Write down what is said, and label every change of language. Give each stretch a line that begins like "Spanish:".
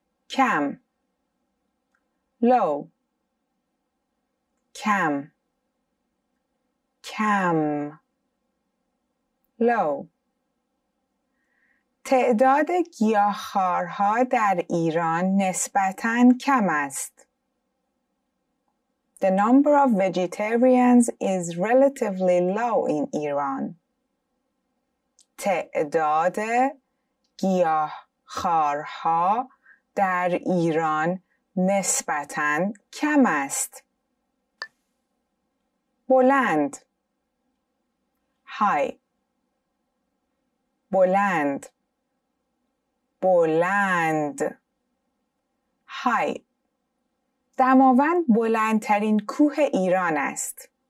Persian: کم low کم کم low تعداد گیاهخوارها در ایران نسبتاً کم است.
English: The number of vegetarians is relatively low in Iran.
Persian: تعداد گیاهخوارها در ایران نسبتاً کم است. بلند های بلند بلند های دماوند بلندترین کوه ایران است.